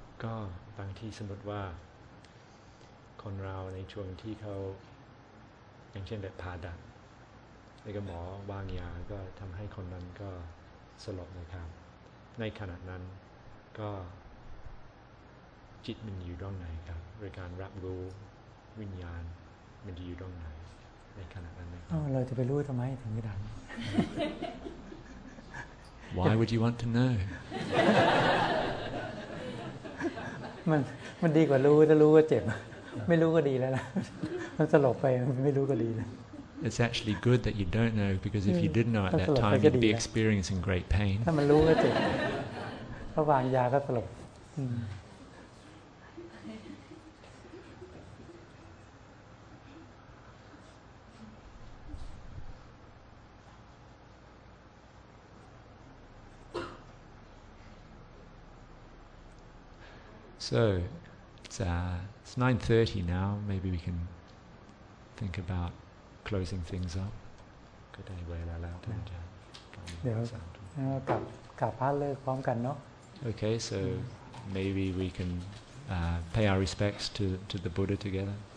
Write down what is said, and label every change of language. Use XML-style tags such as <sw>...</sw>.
<th>ก็บางทีสมมติว่าคนเราในช่วงที่เขาอย่างเช่นแบบผ่าตัดแล้วก็หมอวางยาก็ทำให้คนนั้นก็สลบนะครับในขณะนั้นก็จิตมันอยู่ตรงไหนครับในการรับรู้วิญญาณมันอยู่ตรงไหนในขณะนั้น เราจะไปรู้ทำไมถึงไม่ได้</th> <en>Why would you want to know</en> <th>มันดีกว่ารู้ถ้ารู้ก็เจ็บไม่รู้ก็ดีแล้วนะมันสลบไปไม่รู้ก็ดีแล้ว</th> <en>It's actually good that you don't know because if you did know at that time, you'd be experiencing great pain.</en> <th>ถ้ามันรู้ก็จบถ้าวางยาก็สลบ</th> <en>So, it's 9:30 now. Maybe we can think aboutclosing things up</en> <th>ก็ได้เวลาแล้วท่านอาจารย์เดี๋ยวกลับพระเลิกพร้อมกันเนาะ</th> <en>Okay so maybe we can pay our respects to the Buddha together</en>